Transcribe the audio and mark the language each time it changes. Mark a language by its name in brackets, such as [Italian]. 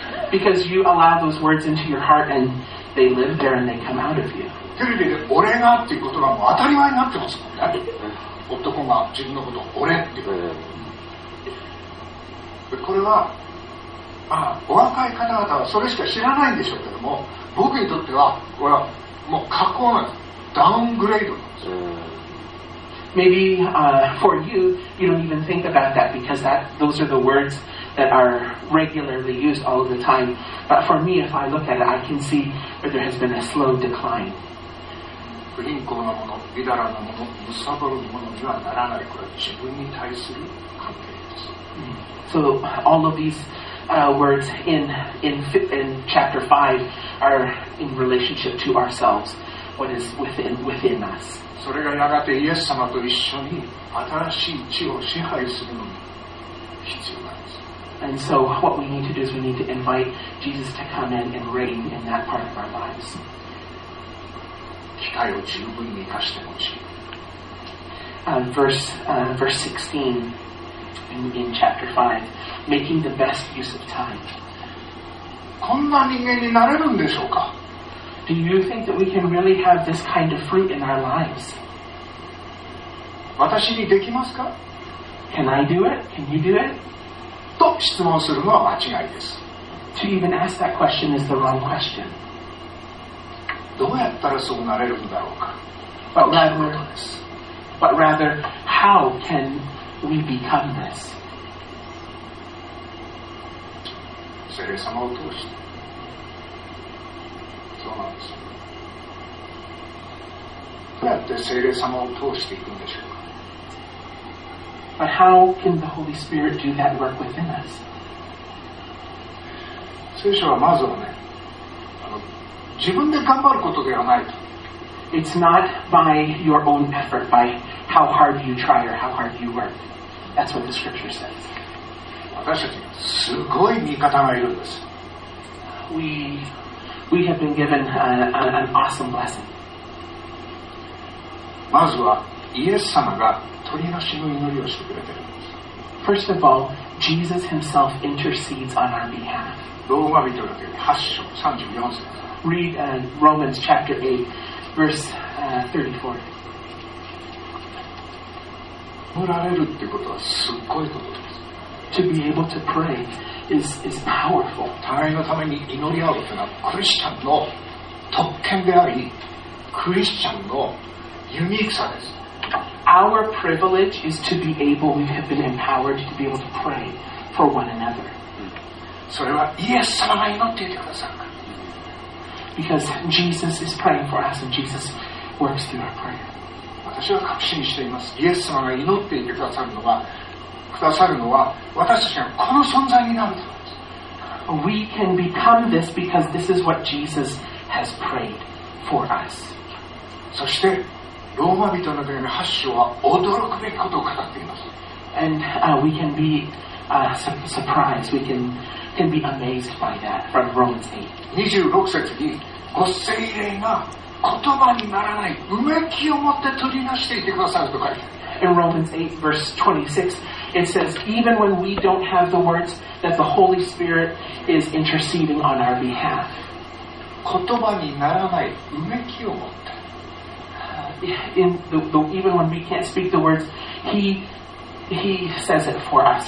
[English] Because you allow those words into your heart and they live there and they come out of you. [Japanese] テレビで俺がっていう言葉も当たり前になってますもんね。男が自分のことを俺って言う。これは、お若い方々はそれしか知らないんでしょうけども、僕にとっては、これはもう格好なんです。ダウングレードなんですよ。 [English] Maybe for you, you don't even think about that because that, those are the words that are regularly used all the time. But for me, if I look at it, I can see that there has been a slow decline. [Japanese] 不貧困なもの、みだらなもの、むさぼるものにはならない。これは自分に対する関係です。 [English] So all of these words in chapter 5 are in relationship to ourselves, what is within us. [Japanese] それがやがてイエス様と一緒に新しい地を支配するのに必要なんです。 [English] And so what we need to do is we need to invite Jesus to come in and reign in that part of our lives. [Japanese] 機会を十分に活かしてほしい。 [English] Verse 16 in chapter 5, making the best use of time. [Japanese] こんな人間になれるんでしょうか。 [English] Do you think that we can really have this kind of fruit in our lives? [Japanese] 私にできますか。 [English] Can I do it? Can you do it? [Japanese] と質問するのは間違いです。 [English] To even ask that question is the wrong question. [Japanese] どうやったらそうなれるんだろうか。 [English] But rather, how can we become this? [Japanese] 聖霊様を通して。そうなんです。どうやって聖霊様を通していくんでしょうか。 [English] But how can the Holy Spirit do that work within us? [Japanese] 聖書はまずはね。自分で頑張ることではない。 [English] It's not by your own effort, by how hard you try or how hard you work. That's what the scripture says. [Japanese] 私たちすごい味方がいるんです。 [English] We have been given an awesome blessing. [Japanese] まずはイエス様が取りなしの祈りをしてくれてるんです。 [English] First of all, Jesus himself intercedes on our behalf. [Japanese] ローマ人の手紙8章34節。 [English] Read Romans chapter 8, verse 34. [Japanese] 祈られるってことはすごいことです。 [English] To be able to pray is powerful. [Japanese] 他人のために祈り合うというのはクリスチャンの特権であり、クリスチャンのユニークさです。 [English] Our privilege is to be able, we have been empowered to be able to pray for one another. [Japanese] それはイエス様が祈っていてくださる。 [English] Because Jesus is praying for us and Jesus works through our prayer. [Japanese] 私は確信しています。イエス様が祈っていてくださるのは、くださるのは私たちがこの存在になるんです。 [English] We can become this because this is what Jesus has prayed for us. [Japanese] そしてローマ人の手紙8章は驚くべきことを語っています。 [English] And we can be surprised. We can be amazed by that from Romans 8. [Japanese] 26節にご聖霊が言葉にならないうめきを持って取り出していてくださると書いてある。 [English] In Romans 8 verse 26, it says, even when we don't have the words, that the Holy Spirit is interceding on our behalf. [Japanese] 言葉にならないうめきを持って。 [English] Even when we can't speak the words, He says it for us.